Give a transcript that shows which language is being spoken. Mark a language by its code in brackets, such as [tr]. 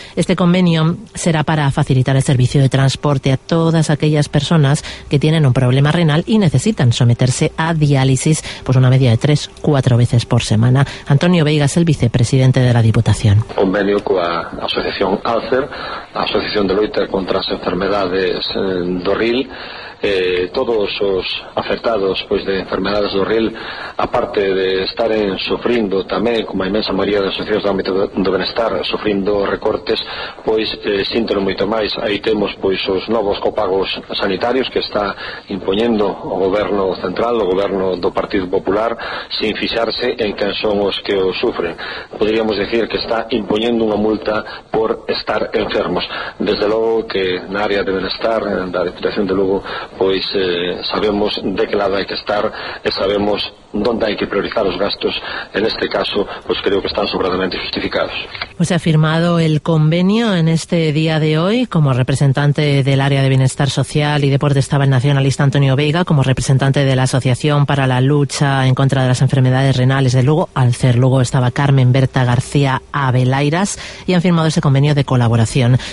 [es] Este convenio será para facilitar el servicio de transporte a todas aquellas personas que tienen un problema renal y necesitan someterse a diálisis, pues una media de 3-4 veces por semana. Antonio Veiga es el vicepresidente de la Diputación. Convenio con la Asociación ALCER, la Asociación de Loita contra las Enfermedades do Ril. [gl] Todos os afectados pois de enfermedades do ril, aparte de estaren sofrindo tamén, como a imensa maioría das asociacións do ámbito do benestar, sofrindo recortes, pois síntelo moito máis. Aí temos pois os novos copagos sanitarios que está impoñendo o goberno central, o goberno do Partido Popular, sin fixarse en quen son os que o sufren. Poderíamos decir que está impoñendo unha multa por estar enfermos. Desde logo que na área de benestar da Diputación de Lugo [es] pues sabemos de qué lado hay que estar, sabemos dónde hay que priorizar los gastos. En este caso, pues creo que están sobradamente justificados. Pues se ha firmado el convenio en este día de hoy. Como representante del área de Bienestar Social y Deporte estaba el nacionalista Antonio Veiga, como representante de la Asociación para la Lucha en contra de las Enfermedades Renales de Lugo, Alcer Lugo, estaba Carmen Berta García Abelairas, y han firmado ese convenio de colaboración.